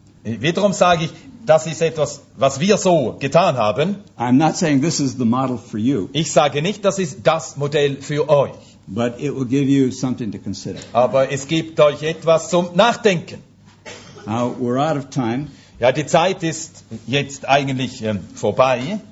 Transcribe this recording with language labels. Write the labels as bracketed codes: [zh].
[de] Wiederum sage ich, das ist etwas, was wir so getan haben. [en] I'm not saying this is the model for you. [de] Ich sage nicht, das ist das Modell für euch. [en] But it will give you something to consider. [de] Aber es gibt euch etwas zum Nachdenken. [en] Now we're out of time. [de] Ja, die Zeit ist jetzt eigentlich vorbei.